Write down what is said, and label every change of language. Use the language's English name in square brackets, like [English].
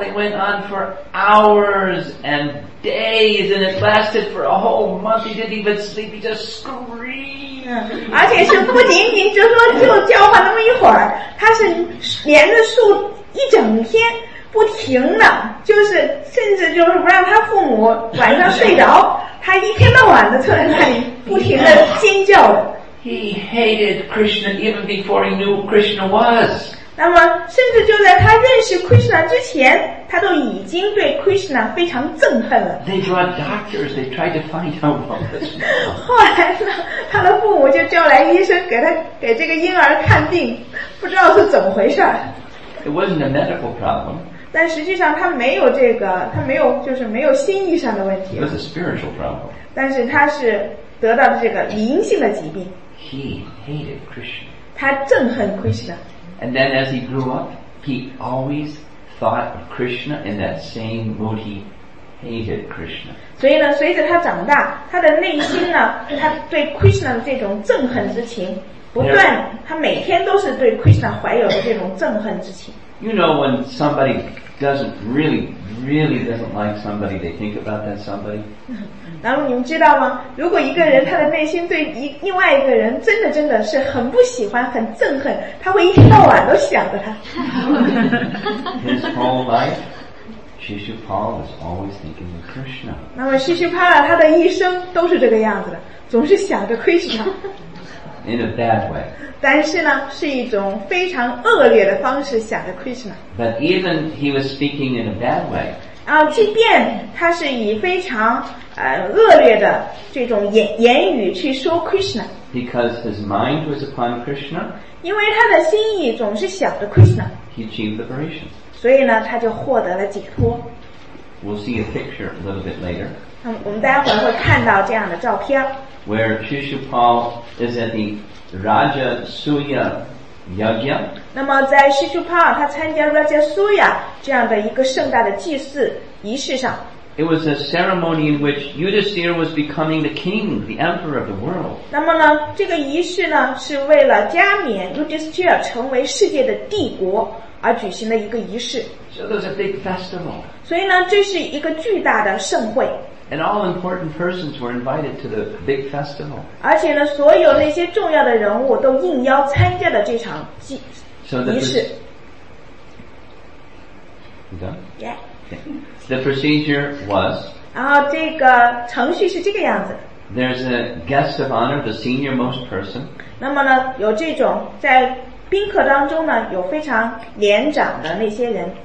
[English] They went on for hours and days, and it lasted for a whole month. He didn't even sleep. He just screamed. [Chinese] 而且是不仅仅就说就叫唤那么一会儿，他是连着数一整天不停的，就是甚至就是不让他父母晚上睡着，他一天到晚的坐在那里不停的尖叫。 [English] He hated Krishna even before he knew Krishna was. [Chinese] 那么甚至就在他认识 Krishna 之前，他都已经对 Krishna 非常憎恨了。 [English] They brought doctors. They tried to find out about this. [Chinese] 后来呢，他的父母就叫来医生，给这个婴儿看病，不知道是怎么回事。 [English] It wasn't a medical problem. [Chinese] 但实际上，他没有这个，他没有就是没有心意上的问题。 [English] It was a spiritual problem. [Chinese] 但是他是得到的这个灵性的疾病。 [English] He hated Krishna. [Chinese] 他憎恨 Krishna. [English] And then, as he grew up, he always. Thought of Krishna in that same mood, he hated Krishna. [Chinese] 所以呢，随着他长大，他的内心呢，他对 Krishna 的这种憎恨之情不断，他每天都是对 Krishna 怀有的这种憎恨之情。 [English] You know, when somebody doesn't really doesn't like somebody, they think about that somebody. [Chinese] 然后你们知道吗？如果一个人他的内心对另外一个人真的是很不喜欢、很憎恨，他会一天到晚都想着他。 [English] His whole life, Shishupala was always thinking of Krishna. [Chinese] 那么 Shishupala 他的一生都是这个样子的，总是想着 Krishna。 [English] In a bad way. [Chinese] 但是呢，是一种非常恶劣的方式想着 Krishna. [English] But even he was speaking in a bad way. [Chinese] 啊，即便他是以非常恶劣的这种言语去说 Krishna. [English] Because his mind was upon Krishna. [Chinese] 因为他的心意总是想着 Krishna. [English] He achieved liberation. [Chinese] 所以呢，他就获得了解脱。 [English] We'll see a picture a little bit later. [Chinese] 我们待会儿会看到这样的照片。 [English] Where Shishupal is at the Raja Suya Yajna. [Chinese] 那么在 Shishupal 他参加 Raja Suya 这样的一个盛大的祭祀仪式上。 [English] It was a ceremony in which Yudhisthira was becoming the king, the emperor of the world. [Chinese] 那么呢，这个仪式呢是为了加冕 Yudhisthira 成为世界的帝国而举行的一个仪式。 [English] So there's a big festival. [Chinese] 所以呢，这是一个巨大的盛会。 [English] And all important persons were invited to the big festival. [Chinese] 而且呢，所有那些重要的人物都应邀参加了这场仪式。 [English] You done? Yeah. Okay. The procedure was. [Chinese] 然后这个程序是这个样子。 [English] There's a guest of honor, the senior most person. [Chinese] 那么呢，有这种在宾客当中呢，有非常年长的那些人。